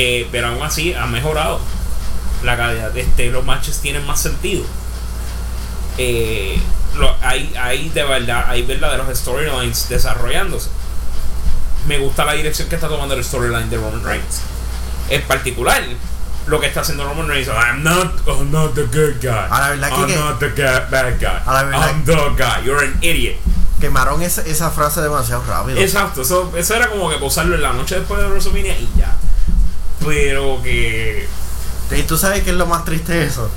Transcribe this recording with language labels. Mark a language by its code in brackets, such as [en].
[es] Pero aún así, ha mejorado la calidad. Los matches tienen más sentido. Hay verdaderos storylines desarrollándose. Me gusta la dirección que está tomando el storyline de Roman Reigns. En particular, lo que está haciendo Roman Reigns, [en] I'm not the good guy. I'm not the bad guy, I'm the guy, you're an idiot. [es] Quemaron esa frase demasiado rápido. Exacto, eso era como que posarlo en la noche después de WrestleMania y ya. Pero que... ¿Y tú sabes qué es lo más triste de eso?